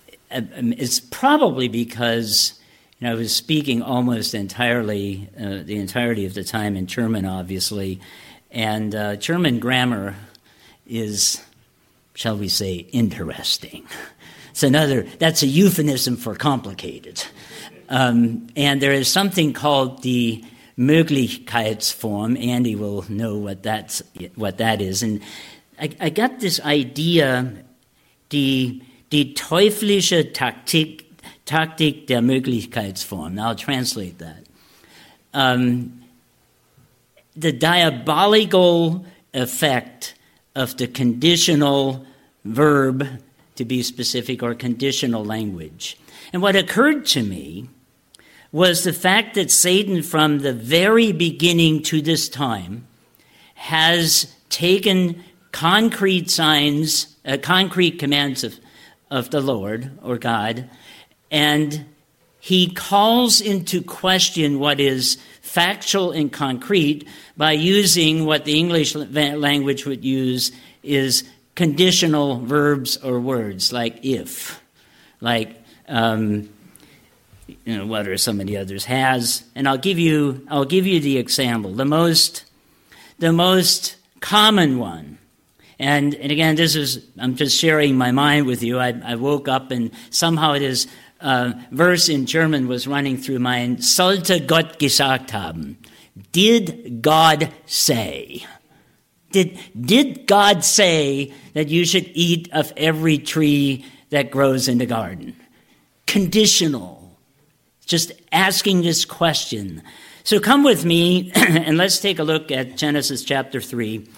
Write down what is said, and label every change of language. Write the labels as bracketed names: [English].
[English] it's probably because, you know, I was speaking almost entirely, the entirety of the time in German, obviously, and German grammar is, shall we say, interesting. That's a euphemism for complicated. And there is something called the Möglichkeitsform. Andy will know what that is. And I got this idea, [German] die teuflische Taktik der Möglichkeitsform. [English] I'll translate that. The diabolical effect of the conditional verb, to be specific, or conditional language. And what occurred to me was the fact that Satan, from the very beginning to this time, has taken concrete signs, concrete commands of the Lord or God, and he calls into question what is factual and concrete by using what the English language would use is conditional verbs or words, like if, like, you know, what are some of the others, has. And I'll give you the example. The most common one, and again, this is, I'm just sharing my mind with you. I woke up and somehow this verse in German was running through my mind. [German] Sollte Gott gesagt haben. [English] Did God say? Did God say that you should eat of every tree that grows in the garden? Conditional. Just asking this question. So come with me and let's take a look at Genesis chapter 3.